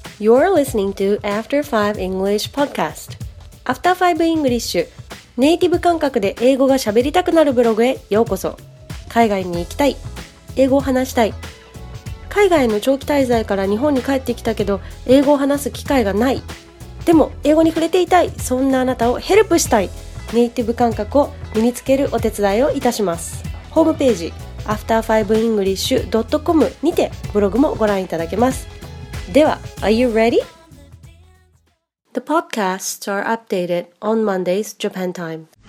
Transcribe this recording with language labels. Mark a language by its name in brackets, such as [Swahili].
[English] You're listening to After 5 English Podcast. [Japanese] After 5 English, ネイティブ感覚で英語が喋りたくなるブログへようこそ。海外に行きたい。英語を話したい。海外の長期滞在から日本に帰ってきたけど、英語を話す機会がない。でも、英語に触れていたい。そんなあなたをヘルプしたい。ネイティブ感覚を身につけるお手伝いをいたします。ホームページ、after5english.com にてブログもご覧いただけます。 [English] では、Are you ready? The podcasts are updated on Monday's Japan time.